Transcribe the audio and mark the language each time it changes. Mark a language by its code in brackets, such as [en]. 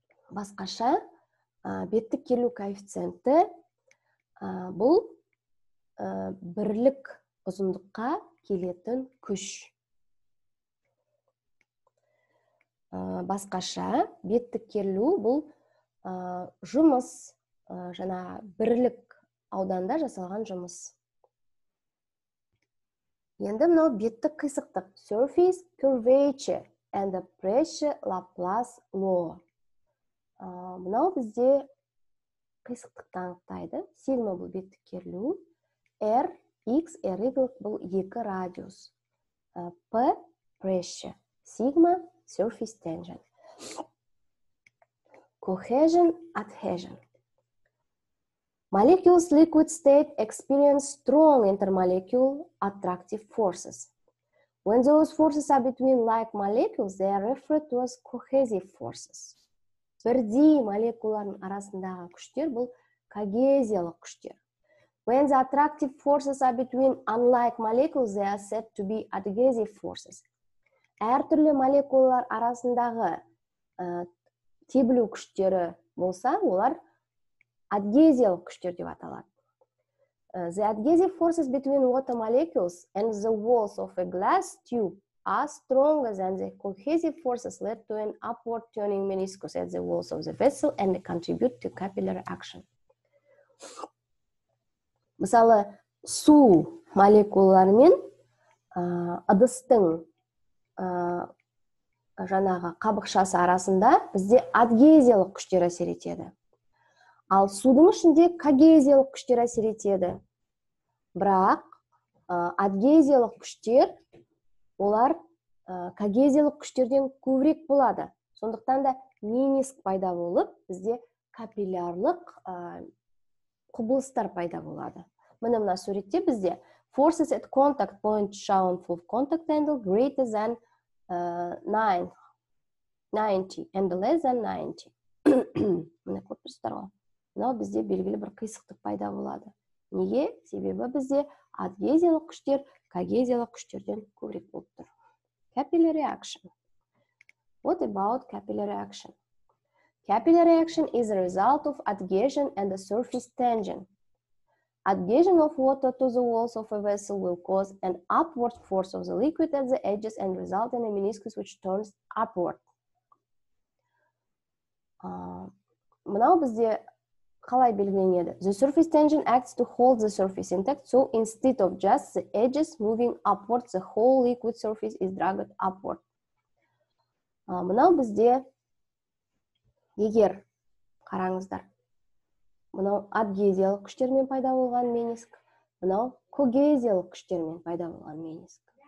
[kk] Басқаша беттік керілу коэффициенті бұл бірлік ұзындыққа келетін күш. Басқаша беттік керілу бұл жұмыс, жаңа бірлік ауданда жасалған жұмыс. Енді мынау беттік қисықтық, [en] surface curvature and the pressure Laplace law. [kk] Мынау бізде қисықтық таңықтайды. Сигма бұл беттік керілу. R, X, R, Y бұл екі радиус. P, pressure. [en] Сигма, surface tension. Cohesion, adhesion. Molecules liquid state experience strong intermolecule attractive forces. When those forces are between like molecules, they are referred to as cohesive forces. [kk] бірдей молекуларының арасындағы күштер бұл когезиялық күштер. [en] When the attractive forces are between unlike molecules, they are said to be adhesive forces. [kk] Әр түрлі молекулалар арасындағы тебілу күштері болса, олар адгезиялық күштер деп аталады. [en] The adhesive forces between water molecules and the walls of a glass tube are stronger than the cohesive forces led to an upward turning meniscus at the walls of the vessel and contribute to capillary action. [kk] Мысалы, су молекулалармен ыдыстың жаңағы қабықшасы арасында бізде адгезиялық күштер әсер етеді. Ал судың ішінде когезиялық күштер әсер етеді. Бірақ адгезиялық күштер, олар когезиялық күштерден көбірек болады. Сондықтан да мениск пайда болып, бізде капиллярлық құбылыстар пайда болады. Міне мына суретте бізде [en] forces at contact point shown for contact angle greater than 90 and less than 90. [kk] Міне көрсетіп тұрмын. Мына бізде белгілі бір қисықтық пайда болады. Неге? Себебі бізде адгезиялық күштер когезиялық күштерден көбірек болып тұр. [en] Capillary action. What about capillary action? Capillary action is a result of adhesion and the surface tension. Adhesion of water to the walls of a vessel will cause an upward force of the liquid at the edges and result in a meniscus which turns upward. [kk] Мынау бізде қалай белгіленеді? [en] The surface tension acts to hold the surface intact, so instead of just the edges moving upward, the whole liquid surface is dragged upward. [kk] Мынау бізде егер қараңыздар. Мынау адгезиялық күштермен пайда болған мениск, мынау когезиялық күштермен пайда болған мениск.